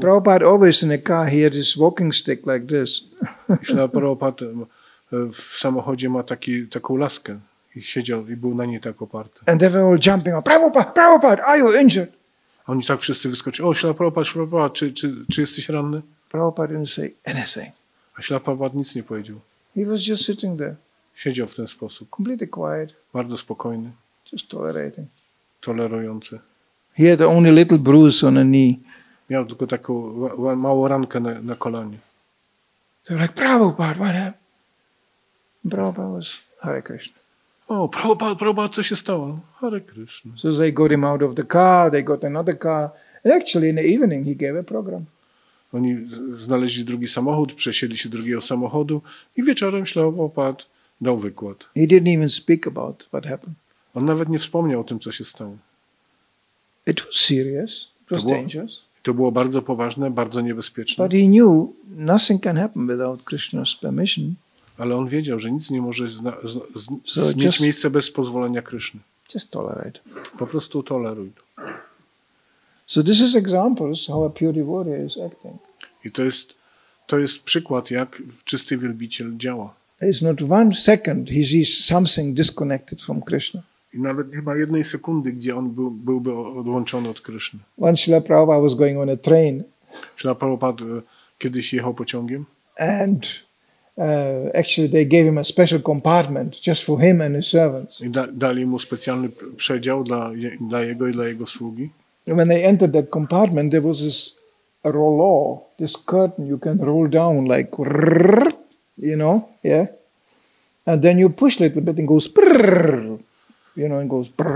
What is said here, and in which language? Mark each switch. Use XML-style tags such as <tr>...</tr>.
<en>Prabhupada always in a car, he had his walking stick like this.</en> <pl>Śrila Prabhupada w samochodzie ma taką laskę i siedział i był na niej tak oparty.</pl> <en>And they were all jumping. Prabhupada, Prabhupada, are you injured?</en> <pl>Oni tak wszyscy wyskoczyli. O, Śrila Prabhupada, Śrila Prabhupada, czy jesteś ranny?</pl> <en>Prabhupada didn't say anything.</en> <pl>A Śrila Prabhupada nic nie powiedział.</pl> <en>He was just sitting there.</en> <pl>Siedział w ten sposób.</pl> <en>Completely quiet.</en> <pl>Bardzo spokojny.</pl> <en>Just tolerating.</en> <pl>Tolerujący.</pl> <en>He had only little bruise on a knee.</en> <pl>Miał tylko taką małą rankę na kolanie.</pl> <en>They were like, Prabhupada, what happened? Prabhupada was Hare Krishna.</en> <pl>O, Prabhupada, co się stało? Hare Krishna.</pl> <en>So they got him out of the car, they got another car. And actually in the evening he gave a program.</en> <pl>Oni znaleźli drugi samochód, przesiedli się do drugiego samochodu i wieczorem Śrila Prabhupada dał wykład.</pl> <en>He didn't even speak about what happened.</en> <pl>On nawet nie wspomniał o tym, co się stało.</pl> <en>It was serious. It was dangerous.</en> <pl>To było bardzo poważne, bardzo niebezpieczne.</pl> <en>But he knew nothing can happen without Krishna's permission.</en> <pl>Ale on wiedział, że nic nie może mieć miejsce bez pozwolenia Kryszny.</pl> <en>Just tolerate.</en> <pl>Po prostu toleruj.</pl> <en>So this is examples how a pure devotee is acting.</en> <pl>I to jest przykład, jak czysty wielbiciel działa.</pl> <en>It's not one second he sees something disconnected from Krishna.</en> <pl>I nawet nie ma jednej sekundy, gdzie on byłby odłączony od Kryszny.</pl> <en>Once Śrila Prabhupada was going on a train.</en> <pl>Śrila Prabhupada kiedyś jechał pociągiem.</pl> <en>And actually they gave him a special compartment just for him and his servants.</en> <pl>I dali mu specjalny przedział dla jego i dla jego sługi.</pl> <en>When they entered that compartment, there was this rollo, this curtain you can roll down like, you know, yeah. And then you push a little bit and goes, you know, and goes.</en>